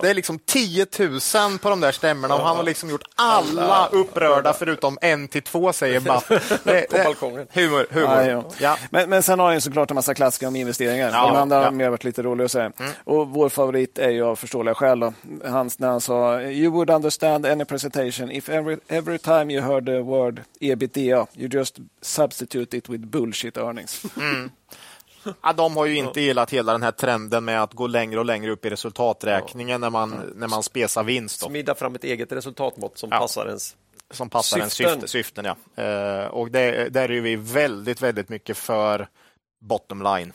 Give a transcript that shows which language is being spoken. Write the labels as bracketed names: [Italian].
[Swedish] Det är liksom 10 000 på de där stämmorna. Och han har liksom gjort alla upprörda förutom en till två, säger Matt. På balkongen. Humor. Men sen har han ju såklart en massa klassiker om investeringar. De andra har mer varit lite roliga att säga. Och vår favorit är ju av förståeliga skäl då. När han sa, [English] you would understand any presentation if every time you heard the word EBITDA, you just substitute it with bullshit earnings. [Swedish] Ja, de har ju inte gillat hela den här trenden med att gå längre och längre upp i resultaträkningen när man spesar vinst. Smidda fram ett eget resultatmått som passar ens syften. Som passar ens syften, ja. Och där är vi väldigt, väldigt mycket för bottom line.